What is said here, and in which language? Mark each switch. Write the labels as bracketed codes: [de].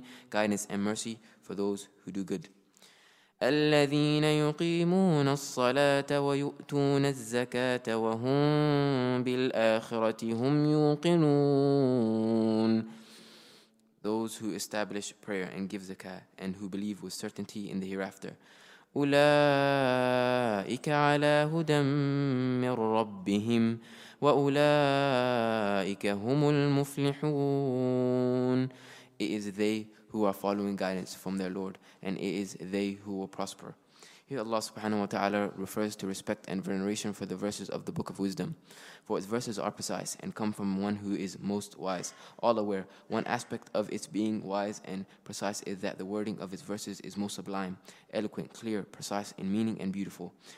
[en] Guidance and mercy for those who do good. [ar] الذين يقيمون الصلاة ويؤتون الزكاة وهم بالآخرة هم يوقنون. [en] Those who establish prayer and give zakah and who believe with certainty in the hereafter. [ar] أولئك على هدى من ربهم وأولئك هم المفلحون. [en] It is they who are following guidance from their Lord, and it is they who will prosper. Here Allah subhanahu wa ta'ala refers to respect and veneration for the verses of the Book of Wisdom, for its verses are precise and come from one who is most wise, all aware. One aspect of its being wise and precise is that the wording of its verses is most sublime, eloquent, clear, precise in meaning, and beautiful.